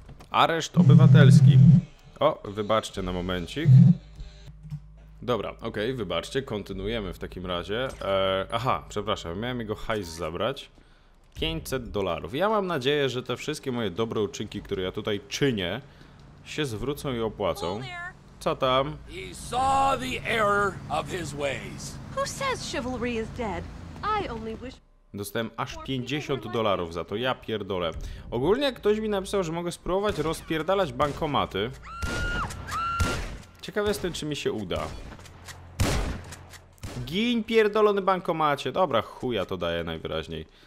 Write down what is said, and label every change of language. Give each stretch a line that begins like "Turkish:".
Polish: Areszt obywatelski. O, wybaczcie na momencik. Dobra, okej, okay, wybaczcie. Kontynuujemy w takim razie. Aha, przepraszam, miałem jego hajs zabrać. $500. Ja mam nadzieję, że te wszystkie moje dobre uczynki, które ja tutaj czynię, się zwrócą i opłacą. Co tam?
English: He saw the error of his ways. Who says chivalry is dead? I only wish...
Polish: Dostałem aż $50 za to, ja pierdolę. Ogólnie ktoś mi napisał, że mogę spróbować rozpierdalać bankomaty. Ciekawy jestem, czy mi się uda. Giń, pierdolony bankomacie. Dobra, chuja to daje najwyraźniej.